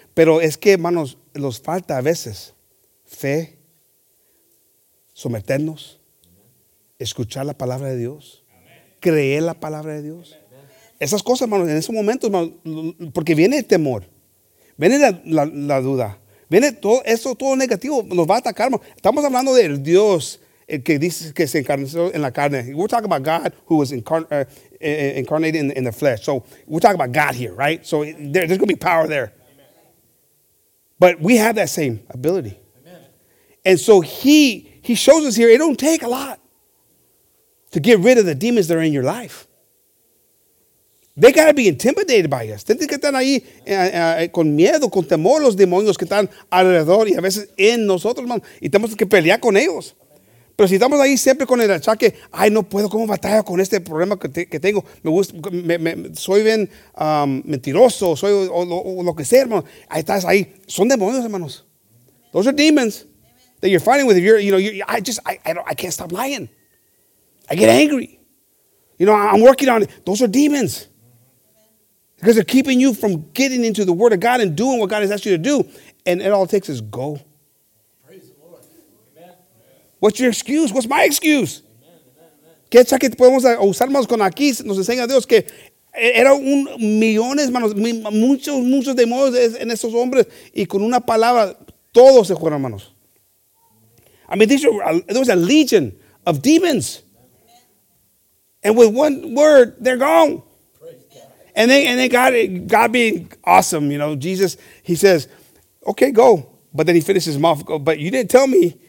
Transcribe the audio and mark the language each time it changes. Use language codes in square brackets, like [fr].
[es] Pero es que, hermanos, nos falta a veces fe, someternos, escuchar la palabra de Dios, creer la palabra de Dios. Esas cosas, hermanos, en esos momentos, hermanos, porque viene el temor, viene la duda, viene todo eso, todo negativo, nos va a atacar, hermanos. Estamos hablando del Dios que dice que se encarnó en la carne. [en] We're talking about God who was incarnated in the flesh. So we're talking about God here, right? So there's going to be power there. But we have that same ability. And so he shows us here, it don't take a lot to get rid of the demons that are in your life. They got to be intimidated by us. [es] Tienen que estar ahí con miedo, con temor, los demonios que están alrededor y a veces en nosotros, hermano. Y tenemos que pelear con ellos. Pero si estamos ahí siempre con el achaque, ay, no puedo, ¿cómo batalla con este problema que tengo? Soy bien mentiroso, soy lo que sea, hermano. Ahí estás ahí. Son demonios, hermanos. [en] Those are demons that you're fighting with. I can't stop lying. I get angry. You know, I'm working on it. Those are demons. Because they're keeping you from getting into the Word of God and doing what God has asked you to do. And it all takes is go. What's your excuse? What's my excuse? [es] ¿Qué chaque podemos usar, hermanos, con aquí? Nos enseña Dios que eran millones, hermanos, muchos demonios en esos hombres. Y con una palabra, todos se fueron, hermanos. [en] I mean, there was a legion of demons. And with one word, they're gone. And then God being awesome, you know, Jesus, he says, okay, go. But then he finishes his mouth. But you didn't tell me.